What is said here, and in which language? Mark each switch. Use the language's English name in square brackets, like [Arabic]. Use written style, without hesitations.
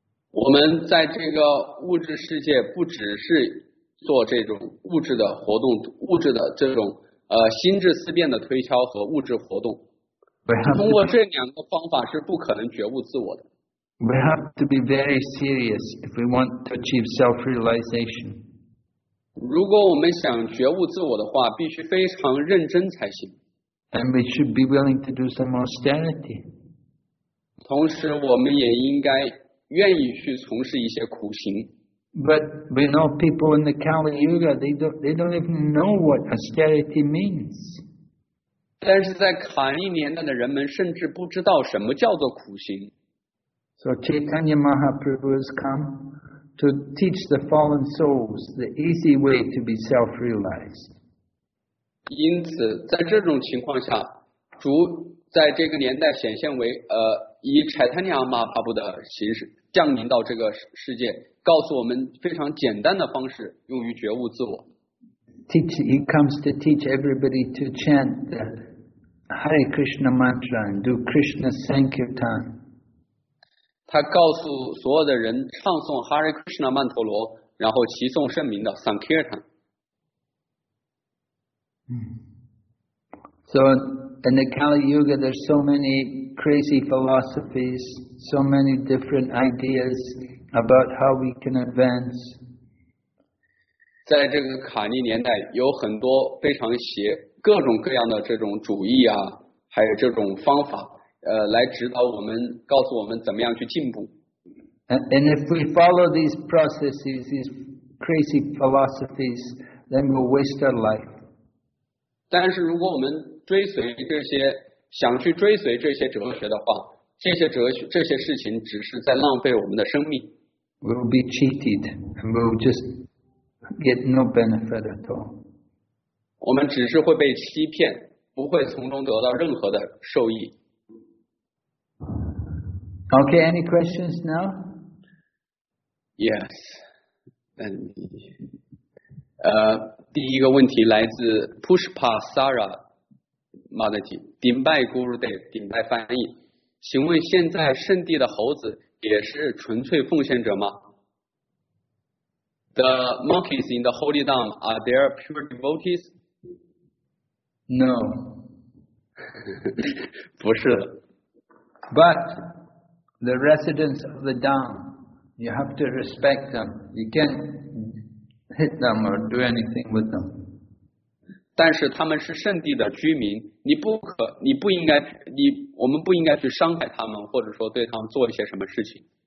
[Chinese] 我们在这个物质世界不只是做这种物质的活动，物质的这种心智思辨的推敲和物质活动。通过这两个方法是不可能觉悟自我的。 [English] We have to be very serious if we want to achieve self-realization. [Chinese] 如果我们想觉悟自我的话，必须非常认真才行。 [English] And we should be willing to do some austerity. [Chinese] 同时，我们也应该愿意去从事一些苦行。 [English] But we know people in the Kali Yuga, they don't even know what austerity means. [Chinese] 但是在卡利年代的人们甚至不知道什么叫做苦行。 [English] So Chaitanya Mahaprabhu has come to teach the fallen souls the easy way to be self-realized. [Chinese] 因此，在这种情况下，主在这个年代显现为以柴坦尼亚马帕布的形式降临到这个世界，告诉我们非常简单的方式，用于觉悟自我。 [English] He comes to teach everybody to chant the Hare Krishna mantra and do Krishna Sankirtan. [Chinese] 他告诉所有的人唱诵 Hare Krishna 曼陀罗，然后齐诵圣名的 Sankirtan。 [English] So in the Kali Yuga, there's so many crazy philosophies, so many different ideas about how we can advance. [Chinese] 在这个卡尼年代，有很多非常邪、各种各样的这种主义啊，还有这种方法，来指导我们，告诉我们怎么样去进步。 [English] And if we follow these processes, these crazy philosophies, then we'll waste our life. [Chinese] 但是如果我们追随这些想去追随这些哲学的话，这些哲学这些事情只是在浪费我们的生命。 [English] We'll be cheated and we'll just get no benefit at all. [Chinese] 我们只是会被欺骗，不会从中得到任何的受益。 [English] Okay, any questions now? Yes. And, [Chinese] 第一个问题来自 Pushpa Sara Madhati， 顶拜 Guru Dev， 顶拜翻译。请问现在圣地的猴子也是纯粹奉献者吗 ？ [English] The monkeys in the holy dam are there pure devotees？ No， [Chinese] 不是的。 [English] But the residents of the dam， you have to respect them. You can't. Hit them or do anything with them. [Chinese] 但是他们是圣地的居民，我们不应该去伤害他们，或者说对他们做一些什么事情。